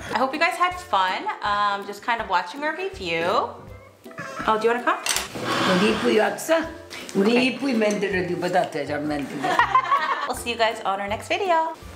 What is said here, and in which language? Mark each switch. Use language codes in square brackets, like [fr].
[en] I hope you guys had fun just kind of watching our review. Oh, do you want to come? [ko] 우리 이쁘이 왔어? 우리 이쁘이 만들어도 이보다 더 잘 만들어. [en] We'll see you guys on our next video.